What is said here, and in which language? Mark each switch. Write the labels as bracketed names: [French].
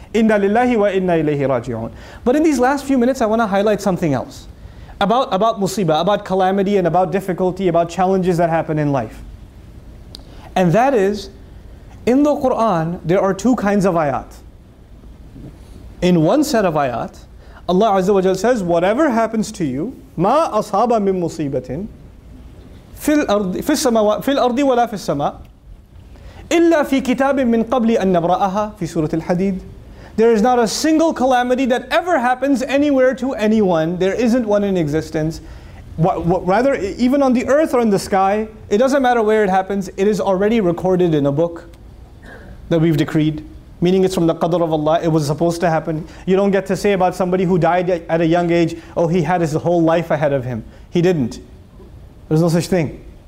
[English] Inna lillahi wa inna ilayhi raji'un. But in these last few minutes, I want to highlight something else. About musibah, about calamity and about difficulty, about challenges that happen in life. And that is, in the Qur'an, there are two kinds of ayat. In one set of ayat, Allah Azza wa Jal says, whatever happens to you, [Arabic] مَا أَصَابَ مِن مُصِيبَةٍ فِي الْأَرْضِ وَلَا فِي السَّمَاءِ إِلَّا فِي كِتَابٍ مِّن قَبْلِ أَن نَبْرَأَهَا فِي سُورَةِ الْحَدِيدِ. [English] There is not a single calamity that ever happens anywhere to anyone. There isn't one in existence. Rather, even on the earth or in the sky, it doesn't matter where it happens, it is already recorded in a book that we've decreed. Meaning it's from the Qadr of Allah, it was supposed to happen. You don't get to say about somebody who died at a young age, oh, he had his whole life ahead of him. He didn't. There's no such thing.